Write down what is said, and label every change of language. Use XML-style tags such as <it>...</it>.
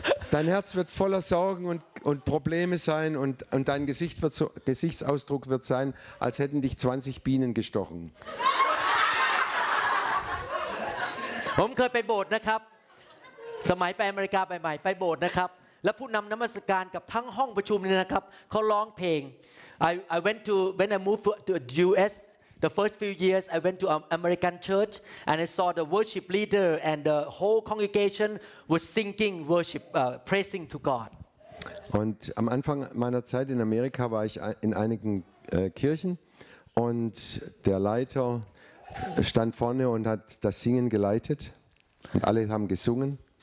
<de>Dein Herz wird voller Sorgen und Probleme sein und dein Gesichtsausdruck wird sein, als hätten dich 20 Bienen gestochen.</de> <th>ผมเคยไปโบสถ์นะครับสมัยไปอเมริกาใหม่ๆไปโบสถ์นะครับแล้วผู้นำนมัสการกับทั้งห้องประชุมเนี่ยนะครับเขาร้องเพลง</th> <en>When I moved to the U.S. the first few years I went to an American church and I saw the worship leader and the whole congregation was singing worship praising to God.</en> <de>Und am Anfang meiner Zeit in Amerika war ich in einigen Kirchen und der Leiter stand vorne und hat das Singen geleitet und alle haben gesungen.</de>